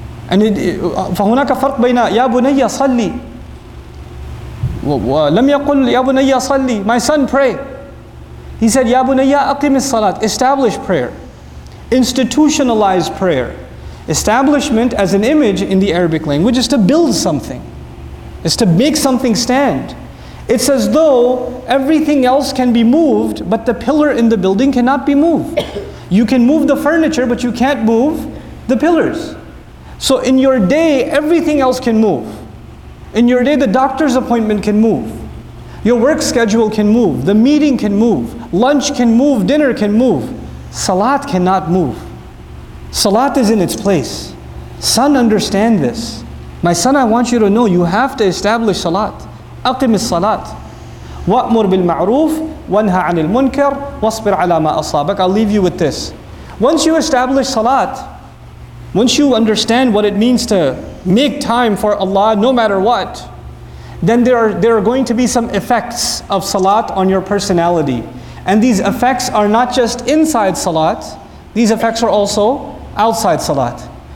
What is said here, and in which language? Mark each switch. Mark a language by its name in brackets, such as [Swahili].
[English] And it, [Arabic] فَهُنَاكَ فَرْقْ بَيْنَا يَا بُنَيَّ صَلِّ وَلَمْ يَقُلْ يَا بُنَيَّ صَلِّ. [English] My son, pray. He said, [Arabic] يَا بُنَيَّ أَقِمِ الصَّلَاةِ. [English] Establish prayer. Institutionalize prayer. Establishment as an image in the Arabic language is to build something. It's to make something stand. It's as though everything else can be moved, but the pillar in the building cannot be moved. You can move the furniture, but you can't move the pillars. So in your day, everything else can move. In your day, the doctor's appointment can move. Your work schedule can move. The meeting can move. Lunch can move. Dinner can move. Salat cannot move. Salat is in its place. Son, understand this. My son, I want you to know, you have to establish salat. [Arabic] أقم الصلاة وأمر بالمعروف وانهى عن المنكر واصبر على ما أصابك. [English] I'll leave you with this. Once you establish salat, once you understand what it means to make time for Allah no matter what, then there are going to be some effects of salat on your personality. And these effects are not just inside Salat, these effects are also outside Salat.